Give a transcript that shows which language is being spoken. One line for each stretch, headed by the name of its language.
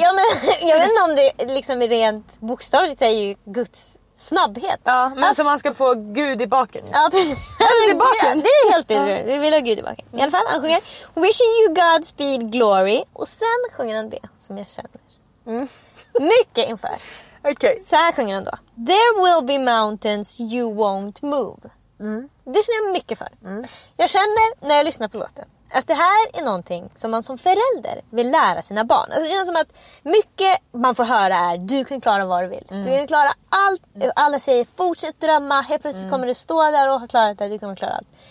Swedish: Ja, men jag vet inte om det liksom är rent bokstavligt, det är ju Guds snabbhet. Ja, men alltså, man ska få Gud i baken. Ja, precis. Gud i baken. Det är helt det. Vi vill ha Gud i baken. I alla fall, han sjunger Wishing you Godspeed, glory. Och sen sjunger han det som jag känner. Mm. Mycket inför.
English: Okay.
Swedish: Så här sjunger han då.
English: There will be mountains you won't move. Mm.
Swedish: Det känner jag mycket för. Mm. Jag känner när jag lyssnar på låten att det här är någonting som man som förälder vill lära sina barn. Alltså det känns som att mycket man får höra är, du kan klara vad du vill. Mm. Du kan klara allt. Alla säger fortsätt drömma. Helt plötsligt kommer du stå där och ha klarat det. Du kommer klara allt.